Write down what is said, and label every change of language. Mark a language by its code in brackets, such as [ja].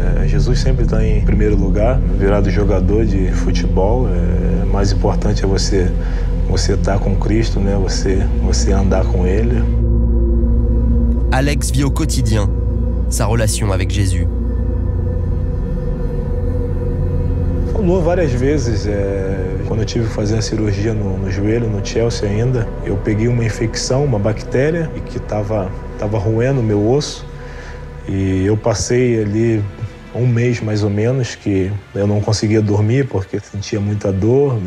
[pt] Jesus sempre está em primeiro lugar. Virado jogador de futebol, mais importante é você estar com Cristo, né? Você andar com Ele. [fr] Alex vit au quotidien sa relation avec Jésus. [pt] Falou várias vezes. Quando eu tive que fazer a cirurgia no joelho, no Chelsea ainda, eu peguei uma infecção, uma bactéria, e que estava roendo o meu osso. E eu passei ali um mês mais ou menos que eu não conseguia dormir porque sentia muita dor.